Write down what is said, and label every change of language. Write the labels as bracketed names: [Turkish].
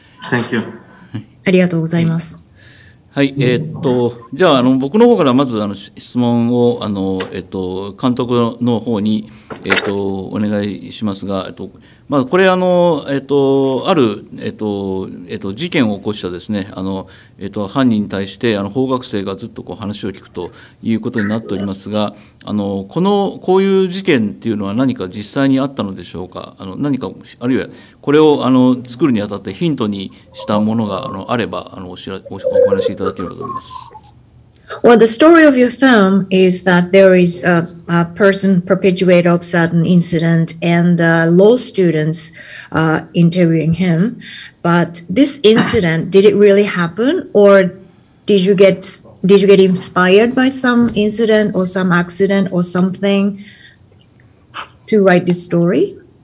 [English] Thank you. [Japanese] ありがとうございます。はい、じゃあ僕の方からまず質問を監督の方に、お願いしますが、まあ、これ、ある、事件を起こしたですね、犯人に対して法学生がずっとこう話を聞くということになっておりますが、こういう事件というのは何か実際にあったのでしょうか、何か、あるいはこれを作るにあたってヒントにしたものがあれば、お話しいただければと思います。 [English] Well, the story of your film is that there is a person perpetuator of certain incident and law students interviewing him. But this incident, did it really happen? Or did you get inspired by some incident or some accident or something to write this story?